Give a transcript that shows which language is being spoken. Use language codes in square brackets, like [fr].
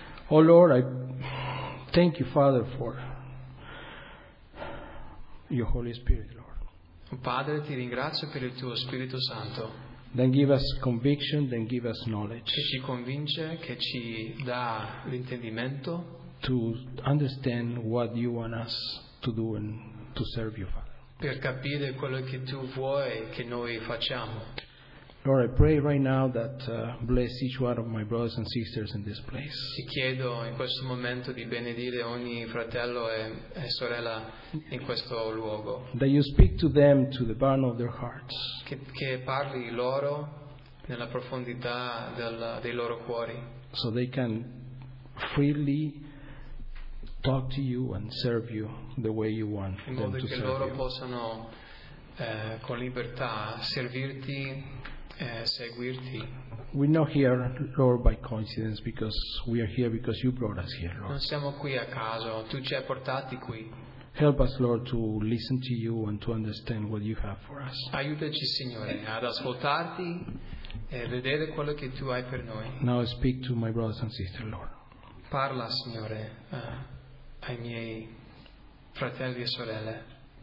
[en] Oh Lord, I thank you, Father, for your Holy Spirit, Lord. [it] Padre, ti ringrazio per il tuo Spirito Santo. [en] Then give us conviction, then give us knowledge. [it] Che ci convince, che ci dà l'intendimento. [en] To understand what you want us to do and to serve you, Father. [it] Per capire quello che tu vuoi che noi facciamo. [en] Lord, I pray right now that bless each one of my brothers and sisters in this place. [it] Ti chiedo in questo momento di benedire ogni fratello e sorella in questo luogo. [en] That you speak to them to the bottom of their hearts. [it] Che parli loro nella profondità dei loro cuori. [en] So they can freely talk to you and serve you the way you want them to serve you. [it] In modo che loro possano con libertà servirti, seguirti. [en] We're not here, Lord, by coincidence, because we are here because you brought us here, Lord. [it] Non siamo qui a caso, tu ci hai portati qui. [en] Help us, Lord, to listen to you and to understand what you have for us. [it] Aiutaci, Signore, ad ascoltarti e vedere quello che tu hai per noi. [en] Now speak to my brothers and sisters, Lord. [it] Parla, Signore, ai miei fratelli e sorelle.